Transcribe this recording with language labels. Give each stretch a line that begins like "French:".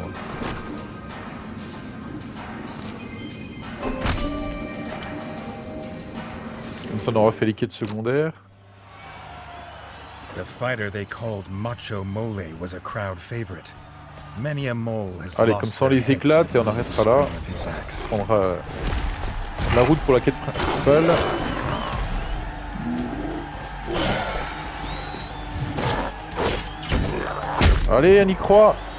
French: Comme ça, on aura fait les quêtes secondaires.
English: The fighter they called Macho Mole was a crowd favorite. Many a mole has.
French: Allez, comme ça, on les éclate et on arrêtera là. On prendra la route pour la quête principale. Allez, on y croit.